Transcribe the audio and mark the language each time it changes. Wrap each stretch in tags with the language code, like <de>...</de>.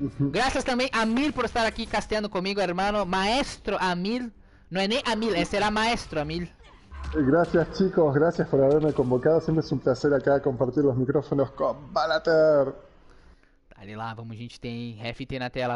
<pt>Graças também a Amir por estar aqui casteando comigo, hermano. Maestro Amir. Não é nem Amir, é será Maestro Amir.</pt> <es>Gracias chicos, gracias por haberme convocado. Siempre es un placer acá compartir los micrófonos con Balater.</es> <pt>Ali lá, vamos, a gente tem RFT na tela.</pt>